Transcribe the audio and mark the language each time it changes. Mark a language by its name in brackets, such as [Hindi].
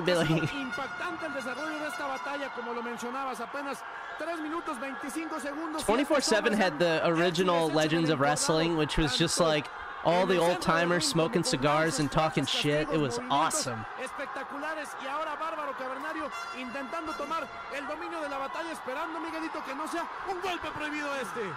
[Spanish] Impactante el desarrollo de esta batalla, como lo mencionabas, apenas [English] 24/7 had the original Legends of Wrestling, which was just like all the old timers smoking cigars and talking shit. It was awesome. [Spanish] Espectaculares. Y ahora Bárbaro Cavernario intentando tomar el dominio de la batalla, esperando, Miguelito, que no sea un golpe prohibido este.